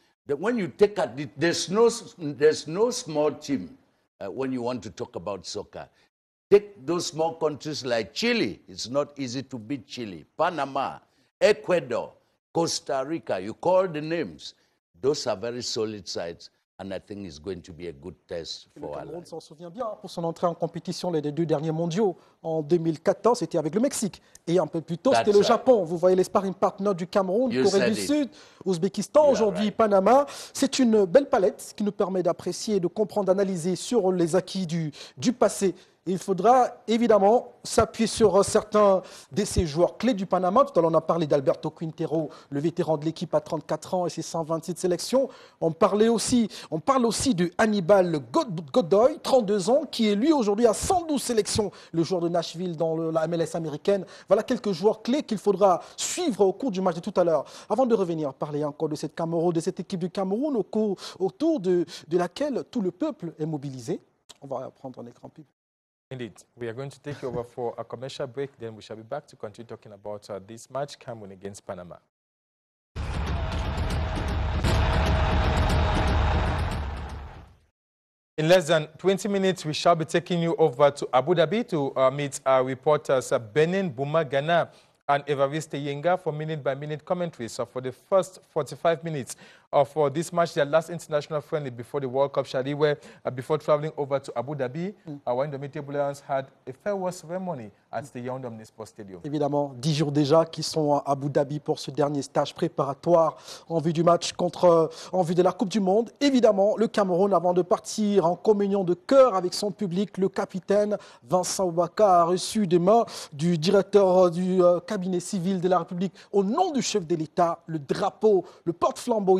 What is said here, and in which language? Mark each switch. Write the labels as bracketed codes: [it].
[en] When you take at it, there's no small team when you want to talk about soccer. Take those small countries like Chile. It's not easy to beat Chile. Panama, Ecuador, Costa Rica, you call the names. Those are very solid sides. And I think it's going to be a good test for [fr] Alain. Le Cameroun s'en souvient bien pour son entrée en compétition les deux derniers mondiaux. En 2014, c'était avec le Mexique. Et un peu plus tôt, c'était le Japon. Vous voyez les sparring partners du Cameroun, Corée du Sud, Ouzbékistan, aujourd'hui Panama. C'est une belle palette qui nous permet d'apprécier, de comprendre, d'analyser sur les acquis du passé. Il faudra évidemment s'appuyer sur certains de ces joueurs clés du Panama. Tout à l'heure, on a parlé d'Alberto Quintero, le vétéran de l'équipe à 34 ans et ses 127 sélections. On parle aussi de Hannibal Godoy, 32 ans, qui est lui aujourd'hui à 112 sélections, le joueur de Nashville dans la MLS américaine. Voilà quelques joueurs clés qu'il faudra suivre au cours du match de tout à l'heure. Avant de revenir, parler encore de cette Cameroun, de cette équipe du Cameroun autour de laquelle tout le peuple est mobilisé. On va prendre un écran pub. [en] Indeed, we are going to take over for a commercial break, then we shall be back to continue talking about this match, Cameroon against Panama. In less than 20 minutes, we shall be taking you over to Abu Dhabi to meet our reporters Benin Bouma Ghana and Evariste Yenga for minute-by-minute commentaries. So for the first 45 minutes for this match, their last international friendly before the World Cup, Shadi, where before traveling over to Abu Dhabi, when the Metropolitans had a farewell ceremony at the Yaoundé Omni Sports Stadium. [fr] Évidemment, 10 jours déjà qu'ils sont à Abu Dhabi pour ce dernier stage préparatoire en vue du match contre, en vue de la Coupe du Monde. Évidemment, le Cameroun, avant de partir en communion de cœur avec son public, le capitaine Vincent Ouaka a reçu des mains du directeur du cabinet civil de la République au nom du chef de l'État, le drapeau, le porte-flambeau.